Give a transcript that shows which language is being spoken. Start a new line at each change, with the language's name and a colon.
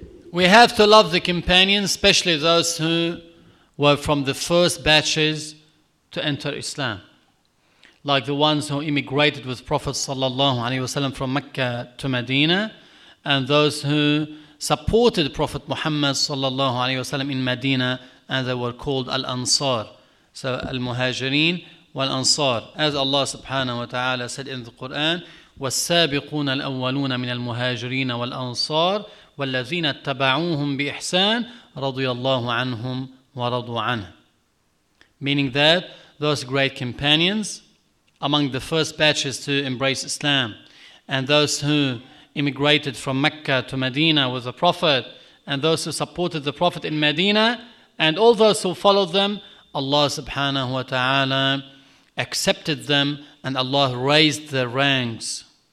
English: We have to love the companions, especially those who were from the first batches to enter Islam, like the ones who immigrated with Prophet sallallahu alaihi wasallam from Mecca to Medina, and those who supported Prophet Muhammad sallallahu alaihi wasallam in Medina, and they were called Al-Ansar. So Al-Muhajirin wal-Ansar. As Allah subhanahu wa ta'ala said in the Quran,
Arabic: وَالسَّابِقُونَ الْأَوَّلُونَ مِنَ الْمُهَاجِرِينَ وَالْأَنصَارِ وَالَّذِينَ اتَّبَعُوهُمْ بِإِحْسَانِ رَضُيَ اللَّهُ عَنْهُمْ وَرَضُوا عَنْهُ.
English: Meaning that those great companions among the first batches to embrace Islam, and those who immigrated from Mecca to Medina with the Prophet, and those who supported the Prophet in Medina, and all those who followed them, Allah subhanahu wa ta'ala accepted them and Allah raised their ranks.